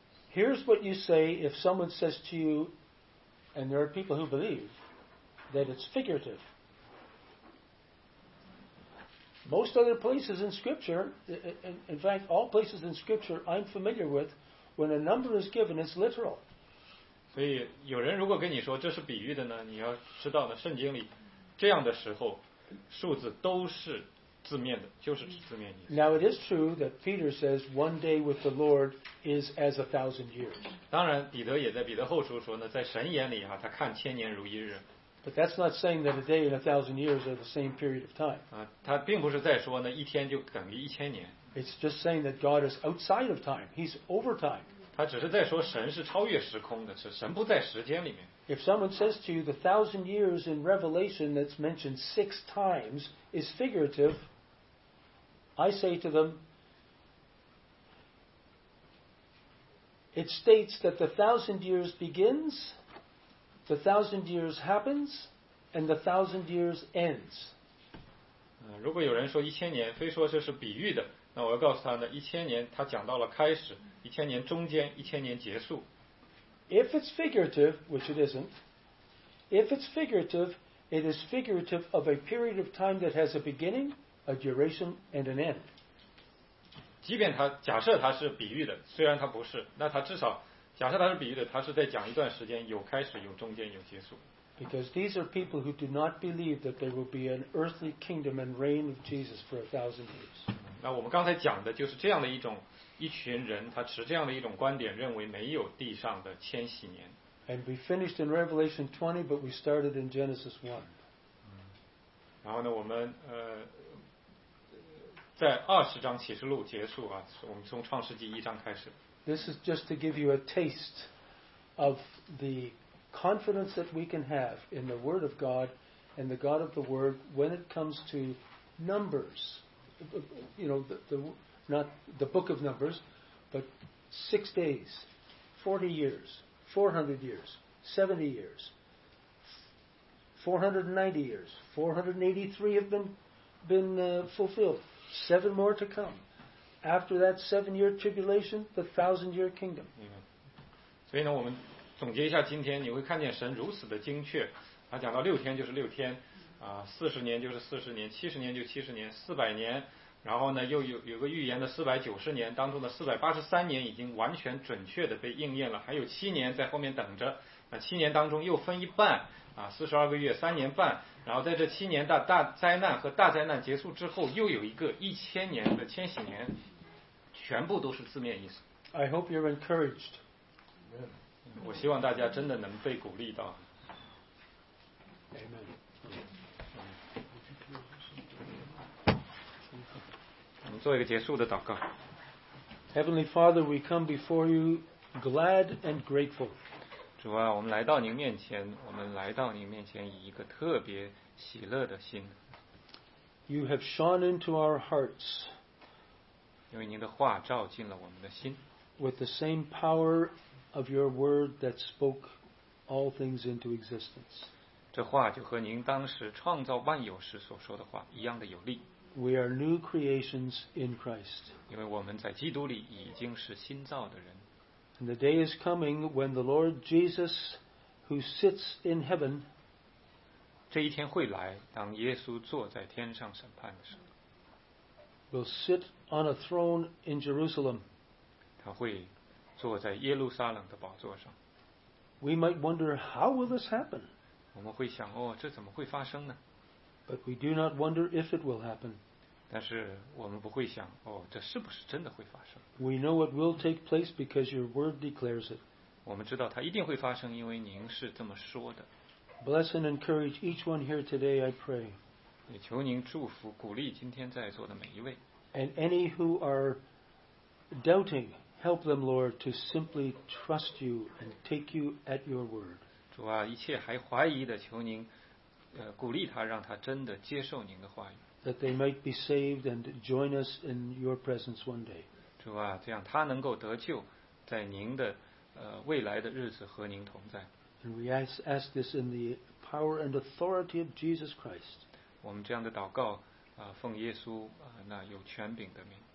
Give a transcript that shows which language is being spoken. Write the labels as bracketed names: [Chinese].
[English] Here's what you say if someone says to you, and there are people who believe, that it's figurative. Most other places in Scripture, in fact, all places in Scripture I'm familiar with, when a number is given, it's literal. [Chinese] 所以有人如果跟你说这是比喻的呢，你要知道呢，圣经里这样的时候数字都是字面的，就是字面意思。 [English] Now it is true that Peter says one day with the Lord is as 1,000 years. [Chinese] 当然彼得也在彼得后书说呢，在神眼里啊，他看千年如一日。 [English] But that's not saying that a day and 1,000 years are the same period of time. [Chinese] 他并不是在说呢一天就等于一千年。 [English] It's just saying that God is outside of time. He's over time. [Chinese] 他只是在说神是超越时空的，是神不在时间里面。 [English] If someone says to you the 1,000 years in Revelation that's mentioned 6 times is figurative, I say to them, it states that the 1,000 years begins, the 1,000 years happens, and the 1,000 years ends. [Chinese] 如果有人说一千年，非说这是比喻的，那我要告诉他呢，一千年他讲到了开始。一千年中间，一千年结束。 [English] If it's figurative, which it isn't, if it's figurative, it is figurative of a period of time that has a beginning, a duration, and an end. [Chinese] 即便他假设他是比喻的，虽然他不是，那他至少假设他是比喻的，他是在讲一段时间，有开始，有中间，有结束。 [English] Because these are people who do not believe that there will be an earthly kingdom and reign of Jesus for 1,000 years. [Chinese] 那我们刚才讲的就是这样的一种。一群人他持这样的一种观点认为没有地上的千禧年。 [English] And we finished in Revelation 20, but we started in Genesis 1. [Chinese] 然后呢我们在20章启示录结束啊，我们从创世纪1章开始。 [English] This is just to give you a taste of the confidence that we can have in the Word of God and the God of the Word when it comes to numbers. You know, not the book of Numbers, but 6 days, 40 years, 400 years, 70 years, 490 years, 483 have been fulfilled, 7 more to come. After that 7-year tribulation, the 1,000-year kingdom. [Chinese] Amen. 所以呢，我们总结一下今天，你会看见神如此的精确，他讲到6天就是6天，40年就是40年，70年就70年，400年。然后呢，又有个预言的490年，当中的483年已经完全准确的被应验了，还有7年在后面等着。那7年当中又分一半啊，42个月，3年半。然后在这7年大灾难和大灾难结束之后，又有一个1,000年的千禧年，全部都是字面意思。 [English] I hope you're encouraged. Amen. [Chinese] 我希望大家真的能被鼓励到。 [English] Amen. [Chinese] 我们做一个结束的祷告。 [English] Heavenly Father, we come before you glad and grateful. [Chinese] 主啊，我们来到您面前，我们来到您面前以一个特别喜乐的心。 [English] You have shone into our hearts. [Chinese] 因为您的话照进了我们的心。 [English] With the same power of your word that spoke all things into existence. [Chinese] 这话就和您当时创造万有时所说的话一样的有力。 [English] We are new creations in Christ. [Chinese] 因为我们在基督里已经是新造的人。 [English] And the day is coming when the Lord Jesus, who sits in heaven, [Chinese] 这一天会来，当耶稣坐在天上审判的时候。 [English] Will sit on a throne in Jerusalem. [Chinese] 他会坐在耶路撒冷的宝座上。 [English] We might wonder how will this happen. [Chinese] 我们会想，哦，这怎么会发生呢？ [English] But we do not wonder if it will happen. [Chinese] 但是我们不会想，哦，这是不是真的会发生？ [English] We know it will take place because your word declares it. [Chinese] 我们知道它一定会发生，因为您是这么说的。 [English] Bless and encourage each one here today, I pray. [Chinese] 也求您祝福鼓励今天在座的每一位。 [English] And any who are doubting, help them, Lord, to simply trust you and take you at your word. [Chinese] 主啊，一切还怀疑的，求您鼓励他，让他真的接受您的话语。 [English] That they might be saved and join us in your presence one day. [Chinese] 主啊，这样他能够得救，在您的未来的日子和您同在。 [English] And we ask this in the power and authority of Jesus Christ. [Chinese] 我们这样的祷告奉耶稣那有权柄的名。